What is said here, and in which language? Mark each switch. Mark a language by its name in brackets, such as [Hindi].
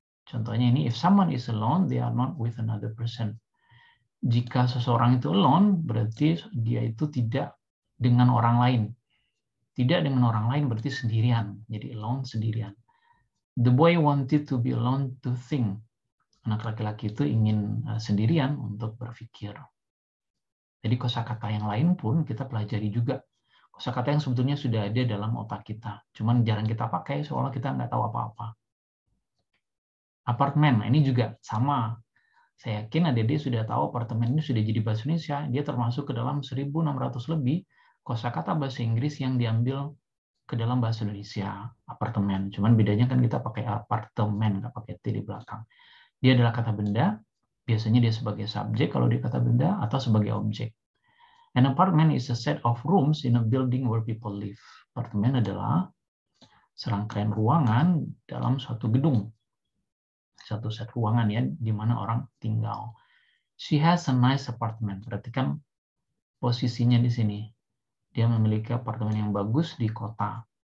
[Indonesian] Contohnya ini, [English] if someone is alone, they are not with another person. [Indonesian] Jika seseorang itu alone, berarti dia itu tidak dengan orang lain. Tidak dengan orang lain berarti sendirian. Jadi alone, sendirian. [English] The boy wanted to be alone to think. [Indonesian] Anak laki-laki itu ingin sendirian untuk berpikir. Jadi kosakata yang lain pun kita pelajari juga. Kosakata yang sebetulnya sudah ada dalam otak kita. Cuman jarang kita pakai seolah kita nggak tahu apa-apa. Apartemen, ini juga sama. Saya yakin adik-adik sudah tahu apartemen ini sudah jadi bahasa Indonesia. Dia termasuk ke dalam 1.600 lebih kosakata bahasa Inggris yang diambil ke dalam bahasa Indonesia. Apartemen. Cuman bedanya kan kita pakai apartemen, nggak pakai T di belakang. Dia adalah kata benda. Biasanya dia sebagai subjek kalau dia kata benda atau sebagai objek. [English] An apartment is a set of rooms in a building where people live. [Indonesian] Apartemen adalah serangkaian ruangan dalam suatu gedung. Satu set ruangan ya di mana orang tinggal. [English] She has a nice apartment. [Indonesian] Perhatikan posisinya di sini. Dia memiliki apartemen yang bagus di kota.